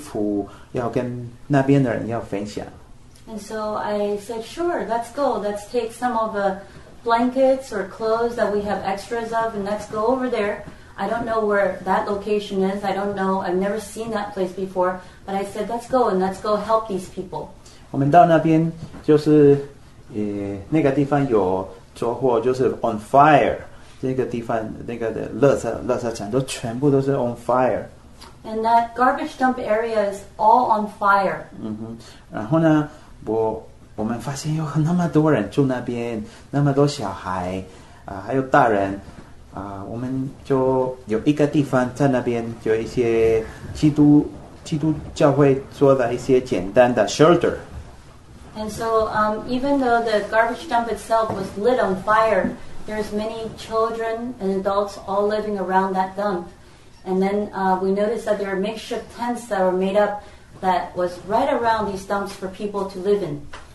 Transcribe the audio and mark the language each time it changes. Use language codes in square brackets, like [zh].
[zh] 当然了，我听到有人住那个地方，我本来也不知道那个地方在哪里，也不知道是什么样的地方，但是我就跟他说好，我们一起走，我们到一些家里面的东西，有一些被子还有衣服要跟那边的人要分享。 [en] And so I said, sure, let's go. Let's take some of the blankets or clothes that we have extras of and let's go over there. I don't know where that location is. I don't know. I've never seen that place before. But I said, let's go and let's go help these people. [zh] 我们到那边就是那个地方有着火，就是 [en] on fire. [zh] 那个地方那个垃圾场都全部都是 [en] on fire. And that garbage dump area is all on fire. [zh] 然后呢， 我们发现有那么多人住那边，那么多小孩，还有大人，我们就有一个地方在那边，就一些基督教会做的一些简单的 shelter. [en] And so, even though the garbage dump itself was lit on fire, there's many children and adults all living around that dump. And then we noticed that there are makeshift tents that were made up that was right around these dumps for people to live in.